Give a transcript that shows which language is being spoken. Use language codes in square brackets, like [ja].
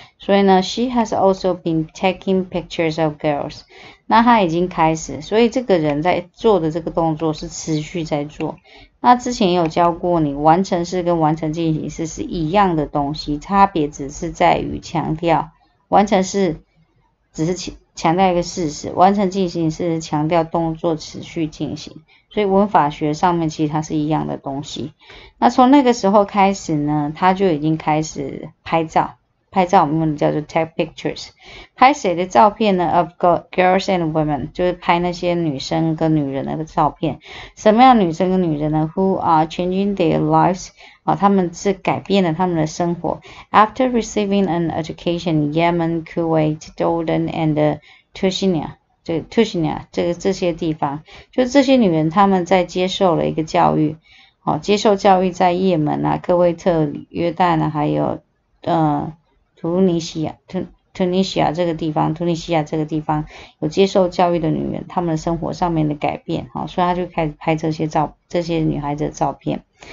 [zh] 所以呢， [en] she has also been taking pictures of girls。 [zh] 那她已经开始，所以这个人在做的这个动作是持续在做。那之前有教过你，完成式跟完成进行式是一样的东西，差别只是在于强调完成式只是强调一个事实，完成进行式是强调动作持续进行。所以文法学上面其实它是一样的东西。那从那个时候开始呢，他就已经开始拍照，拍照我们叫做 [en] take pictures， [zh] 拍谁的照片呢？ [en] Of girls and women， [zh] 就是拍那些女生跟女人的照片。什么样女生跟女人呢？ [en] Who are changing their lives？ [zh] 他们是改变了他们的生活。 [en] After receiving an education in Yemen, Kuwait, Jordan and Tunisia。 [zh] 对，突西尼亚这些地方，就这些女人，她们在接受了一个教育，接受教育在也门啊、科威特、约旦啊，还有突尼西亚这个地方有接受教育的女人，她们生活上面的改变，所以她就开始拍这些女孩子的照片。